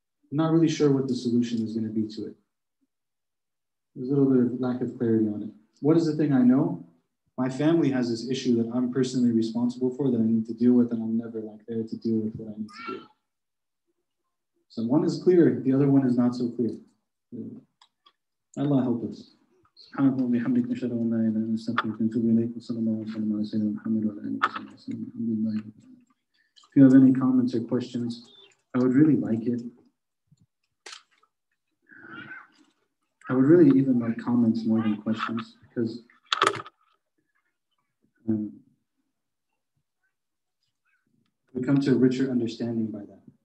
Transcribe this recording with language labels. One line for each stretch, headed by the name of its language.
English: I'm not really sure what the solution is going to be to it. There's a little bit of lack of clarity on it. What is the thing I know? My family has this issue that I'm personally responsible for that I need to deal with, and I'm never like there to deal with what I need to do. So one is clear, the other one is not so clear. Allah help us.
Arabic: سبحانك اللهم وبحمدك نشهد أن لا إله إلا أنت نستغفرك ونتوب إليك وصلى الله وسلم على سيدنا محمد وعلى آله وصحبه وسلم الحمد لله.
English: If you have any comments or questions, I would really like it. I would really even like comments more than questions because we come to a richer understanding by that.